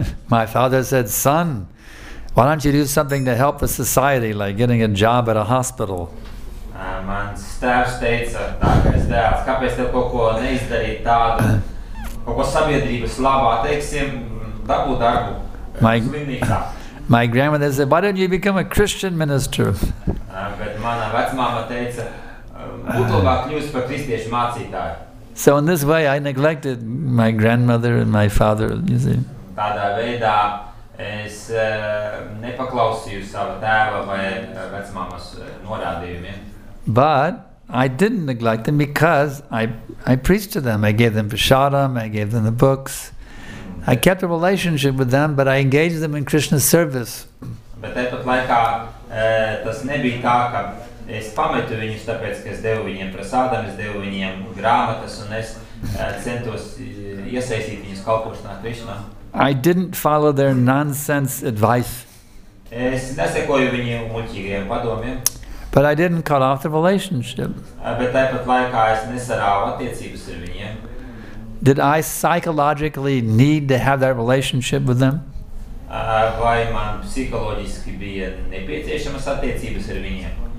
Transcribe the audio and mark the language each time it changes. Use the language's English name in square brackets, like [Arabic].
[English] My father said, son, why don't you do something to help the society, like getting a job at a hospital? [Latvian] Mans tēvs teica, tā kā es dēls, kāpēc tev kaut ko neizdarīt tādu, kaut ko sabiedrības labā, teiksim, dabūt darbu slimnīcā. [English] My grandmother said, why don't you become a Christian minister? [Latvian] Bet mana vecmāma teica, būt labāk kļūst par kristiešu mācītāju. [English] So in this way I neglected my grandmother and my father, you see. [Latvian] Tādā veidā es nepaklausīju savu tēvu vai vecmāmas norādījumiem. [English] But I didn't neglect them because I preached to them. I gave them prasadam, I gave them the books. I kept a relationship with them, but I engaged them in Krishna's service. [Latvian] Bet tāpat laikā tas nebija tā, ka es pametu viņus, tāpēc, ka es devu viņiem prasādām, es devu viņiem grāmatas, un es centos iesaistīt viņus kalpošanā Krishna. [English] I didn't follow their nonsense advice. [Latvian] Es nesekoju viņiem muļķīgiem padomiem. [English] But I didn't cut off the relationship. [Latvian] Bet tāpat laikā es nesarāvu attiecības ar viņiem. [English] Did I psychologically need to have that relationship with them? [Latvian] Vai man psiholoģiski bija nepieciešamas attiecības ar viņiem?